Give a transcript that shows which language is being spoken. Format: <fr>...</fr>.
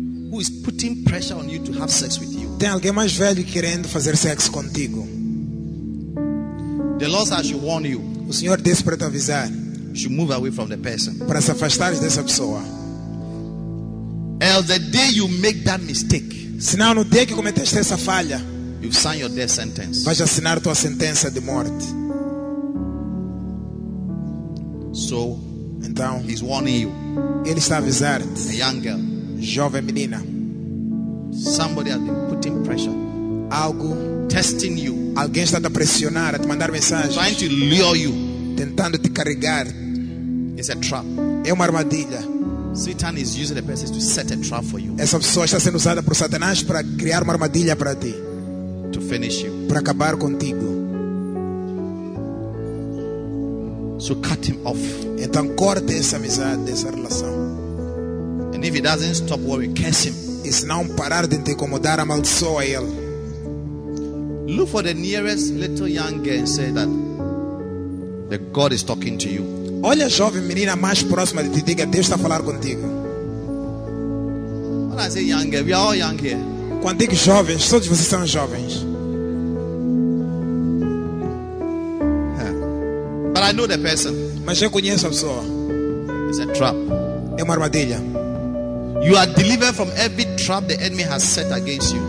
<en>who is putting pressure on you to have sex with you.</en> <pt>Tem alguém mais velho querendo fazer sexo contigo.</pt> <en>The Lord has to warn you.</en> <pt>O Senhor disse para te avisar</pt> <en>move away from the person.</en> <pt>Para se afastar dessa pessoa.</pt> <en>Else the day you make that mistake,</en> <pt>senão no dia que cometeste essa falha,</pt> <en>you've signed your death sentence.</en> <pt>Vais assinar tua sentença de morte.</pt> <en>So,</en> <pt>então,</pt> <en>he's warning you.</en> <pt>Ele está avisando.</pt> <en>A young girl,</en> <pt>jovem menina.</pt> <en>Somebody has been putting pressure.</en> <pt>Algo</pt> <en>testing you.</en> <pt>Alguém está a pressionar, a te mandar mensagens.</pt> <en>Trying to lure you.</en> <pt>Tentando te carregar.</pt> <en>It's a trap.</en> <pt>É uma armadilha.</pt> <en>Satan is using the person to set a trap for you.</en> <pt>Essa pessoa está sendo usada por Satanás para criar uma armadilha para ti.</pt> <en>To finish you.</en> <pt>Para acabar contigo.</pt> <en>So cut him off.</en> <pt>Então corte essa amizade, essa relação.</pt> <en>And if he doesn't stop worrying, curse him.</en> <pt>E se não parar de te incomodar, amaldiçoa ele.</pt> <en>Look for the nearest little young girl and say that the God is talking to you.</en> <pt>Olha a jovem menina mais próxima de ti, diga Deus está a falar contigo.</pt> <en>When I say young girl, we are all young here.</en> <pt>Quando digo jovens, todos vocês são jovens.</pt> <en>I know the person.</en> <pt>Mas eu conheço a pessoa.</pt> <en>It's a trap.</en> <pt>É uma armadilha.</pt> <en>You are delivered from every trap the enemy has set against you.</en>